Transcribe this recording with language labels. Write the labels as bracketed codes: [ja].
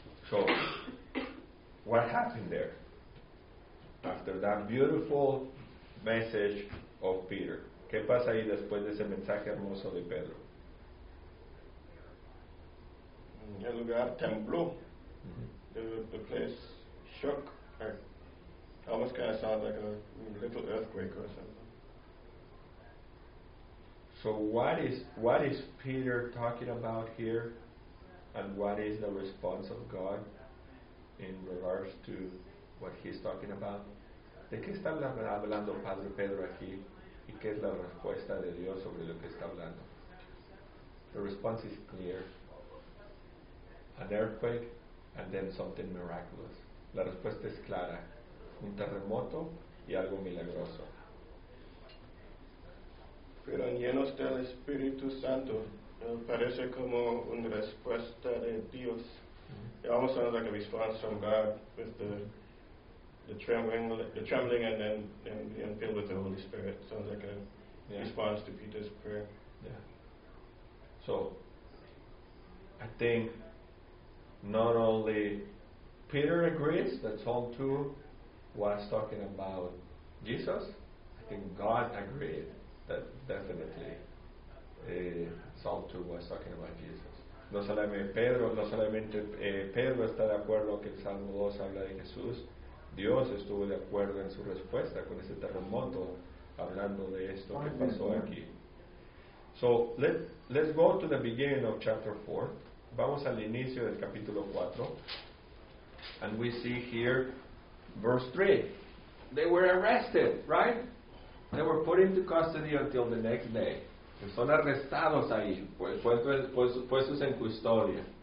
[en] So, what happened there after that beautiful message of Peter? [es] ¿Qué pasa ahí después de ese mensaje hermoso de Pedro? El lugar tembló. Mm-hmm. [en] The place shook. It almost kind of sounds like a little earthquake or something. So what is Peter talking about here, and what is the response of God in regards to what he's talking about? [es] ¿De qué está hablando Padre Pedro aquí? ¿Y qué es la respuesta de Dios sobre lo que está hablando? [en] The response is clear. An earthquake and then something miraculous. [es] La respuesta es clara. Un terremoto y algo milagroso. Pero llenos del Espíritu Santo. Parece como una respuesta de Dios. [en] It almost sounds like a response from God with the trembling and then being filled with the Holy Spirit. Sounds like a response to Peter's prayer. Yeah. So I think not only Peter agrees that Psalm 2 was talking about Jesus, I think God agreed that definitely Psalm 2 was talking about Jesus. [es] No solamente Pedro está de acuerdo que el Salmo 2 habla de Jesús. Dios estuvo de acuerdo en su respuesta con ese terremoto, hablando de esto que pasó aquí. [en] So let's go to the beginning of chapter 4. [es] Vamos al inicio del capítulo 4. [en] And we see here verse 3. They were arrested, right? They were put into custody until the next day. [es] Son arrestados ahí, puestos en custodia.